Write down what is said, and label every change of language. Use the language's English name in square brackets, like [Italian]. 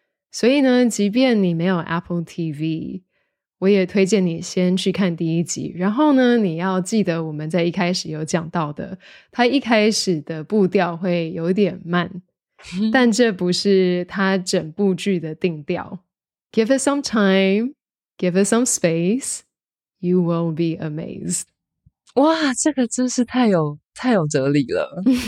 [Chinese] 所以呢，即便你没有 Apple TV，我也推荐你先去看第一集，然后呢，你要记得我们在一开始有讲到的，它一开始的步调会有点慢，但这不是它整部剧的定调。 [English] Give it some time, give it some space, you will be amazed. [Chinese] 哇，这个真是太有哲理了。